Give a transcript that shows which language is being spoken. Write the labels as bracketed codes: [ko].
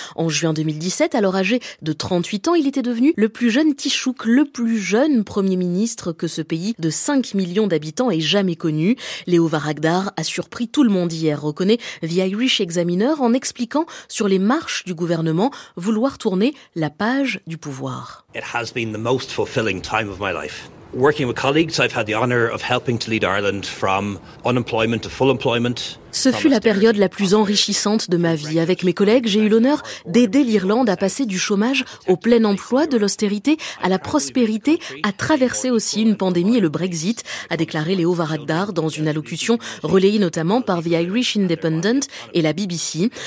[fr] En juin 2017, alors âgé de 38 ans, il était devenu le plus jeune Taoiseach, le plus jeune Premier ministre que ce pays de 5 millions d'habitants ait jamais connu. Léo Varadkar a surpris tout le monde hier, reconnaît The Irish Examiner en expliquant sur les marches du gouvernement vouloir tourner la page du pouvoir. [en] It has been the most fulfilling time of my life. Working with colleagues, I've had the honor of helping to lead Ireland from unemployment to full employment. [fr] Ce fut la période la plus enrichissante de ma vie. Avec mes collègues, j'ai eu l'honneur d'aider l'Irlande à passer du chômage au plein emploi, de l'austérité à la prospérité, à traverser aussi une pandémie et le Brexit, a déclaré Léo Varadkar dans une allocution relayée notamment par The Irish Independent et la BBC.